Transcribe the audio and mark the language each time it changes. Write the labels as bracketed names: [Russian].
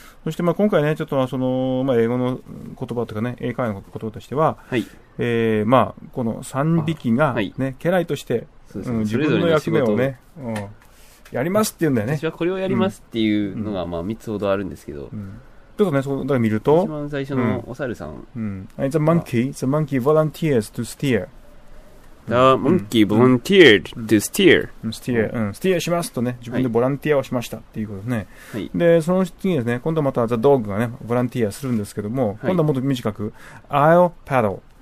[Japanese] そしてまあ今回ね、ちょっとはその、まあ、英語の言葉とかね、英会話の言葉としては、はい、まあこの3匹が、ね、はい、家来として、そうですね、自分の役目をね、やりますって言うんだよね。私はこれをやりますっていうのがまあ3つほどあるんですけど、ちょっとね、そこから見ると、一番最初のお猿さん、 [English] It's a monkey. It's a monkey volunteers to steer. The monkey volunteered to steer. Steer. [Japanese] Steer しますとね、自分でボランティアをしましたっていうことですね、はい。でその次にですね、今度はまた the dog がね、ボランティアするんですけども、今度はもっと短く、はい、 [English] I'll paddle.